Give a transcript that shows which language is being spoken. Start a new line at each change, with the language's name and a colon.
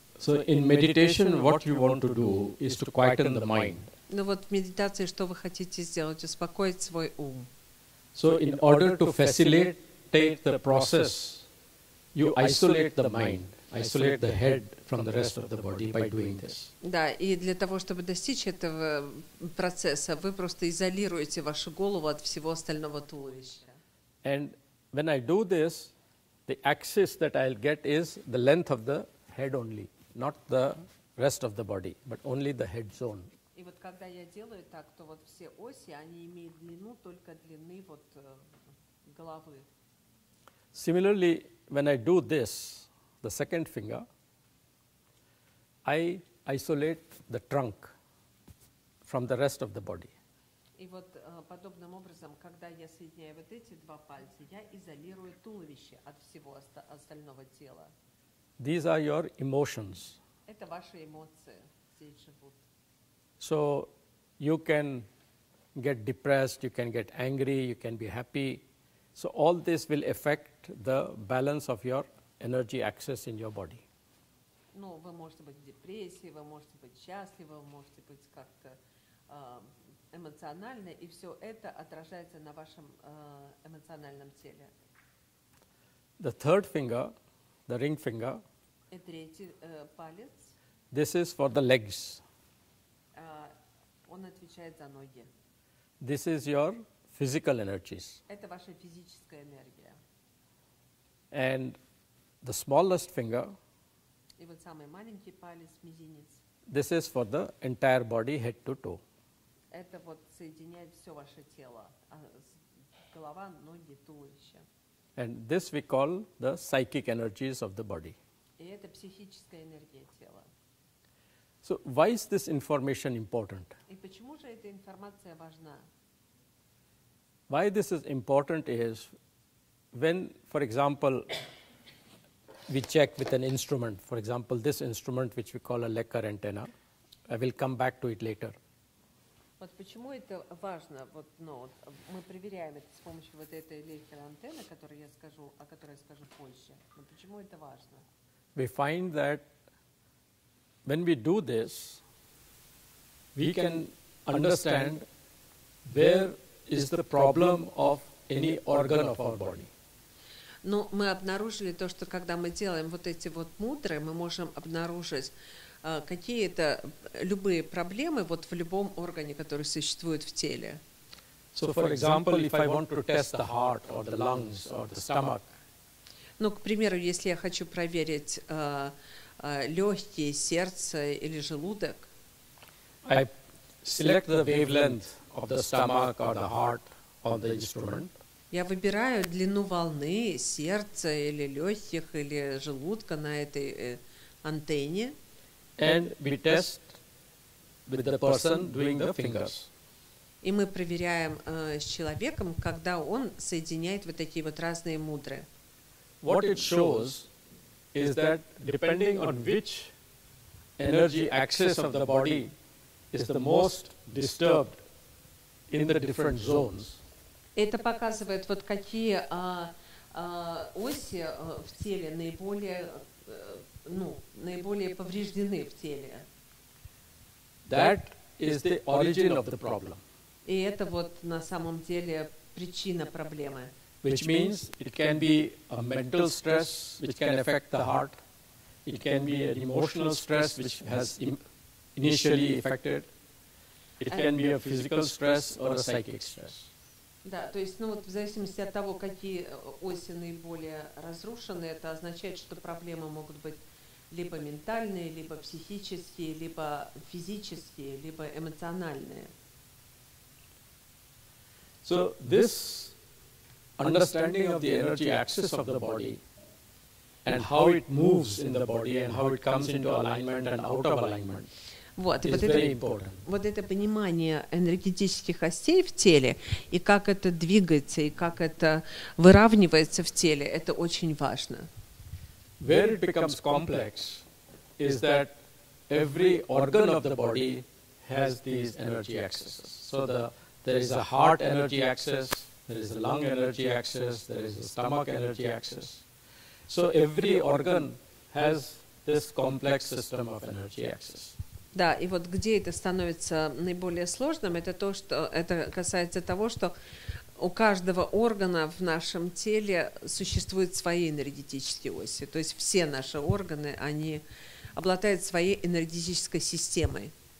English: So in meditation, what you want to do is to quieten the mind.
Russian: Ну вот в медитации что вы хотите сделать? Успокоить свой ум.
English: So in order to facilitate the process, you isolate the mind, isolate the head from the rest of the body by doing this.
Russian: Да, и для того, чтобы достичь этого процесса, вы просто изолируете вашу голову от всего остального туловища.
English: And when I do this, the axis that I'll get is the length of the head only, not the rest of the body, but only the head zone.
Russian: И вот когда я делаю так, то вот все оси, они имеют длину только длины вот головы.
English: Similarly, when I do this, the second finger, I isolate the trunk, from the rest of the body.
Russian: И вот подобным образом, когда я соединяю вот эти два пальца, я изолирую туловище от всего остального тела.
English: These are your emotions.
Russian: Это ваши эмоции здесь живут.
English: So you can get depressed, you can get angry, you can be happy. So all this will affect the balance of your energy access in your body.
Russian: Ну, вы можете быть в депрессии, вы можете быть счастливы, вы можете быть как-то эмоционально, и все это отражается на вашем эмоциональном теле.
English: The third finger, the ring finger.
Russian: И третий палец.
English: This is for the legs.
Russian: Он отвечает за ноги.
English: This is your physical energies.
Russian: Это ваша физическая энергия.
English: And the smallest finger.
Russian: И вот самый маленький палец, мизинец.
English: This is for the entire body, head to toe.
Russian: Это вот соединяет все ваше тело, голова, ноги, туловище.
English: And this we call the psychic energies of the body.
Russian: И это психическая энергия тела.
English: So why is this information important?
Russian: И почему же эта информация важна?
English: Why this is important is when, for example, we check with an instrument, for example, this instrument which we call a Lecker antenna. I will come back to it later.
Russian: Вот почему это важно, вот, ну, вот мы проверяем это с помощью вот этой Lecker антенны, которую я скажу, о которой я скажу позже. Но почему это важно?
English: We find that when we do this, we can understand where is the problem of any organ of our body.
Russian: Но мы обнаружили то, что когда мы делаем вот эти вот мудры, мы можем обнаружить какие-то любые проблемы вот в любом органе, который существует в теле.
English: So, for example, if I want to test the heart or the lungs or the stomach.
Russian: Ну, к примеру, если я хочу проверить легкие, сердце или желудок.
English: I select the wavelength of the stomach or the heart on the instrument.
Russian: Я выбираю длину волны сердца или легких или желудка на этой антенне.
English: And we test with the person doing the fingers.
Russian: И мы проверяем с человеком, когда он соединяет вот такие вот разные мудры.
English: What it shows is that depending on which energy axis of the body is the most disturbed in the different zones.
Russian: Это показывает вот какие оси в теле наиболее наиболее повреждены в теле.
English: That is the origin of the problem.
Russian: И это вот на самом деле причина проблемы.
English: Which means it can be a mental stress which can affect the heart. It can be an emotional stress which has initially affected. It can be a physical stress or a psychic stress.
Russian: Да, то есть, ну вот в зависимости от того, какие оси наиболее разрушены, это означает, что проблемы могут быть либо ментальные, либо психические, либо физические, либо эмоциональные.
English: So this understanding of the energy axis of the body and how it moves in the body and how it comes into alignment and out of alignment.
Russian: Вот, и вот это понимание энергетических осей в теле, и как это двигается, и как это выравнивается в теле, это очень важно.
English: Where it becomes complex is that every organ of the body has these energy axes. So there is a heart energy axis, there is a lung energy axis, there is a stomach energy axis. So every organ has this complex system of energy axes.
Russian: Да, и вот где это становится наиболее сложным, это то, что это касается того, что у каждого органа в нашем теле существуют свои энергетические оси. То есть все наши органы, они обладают своей энергетической системой.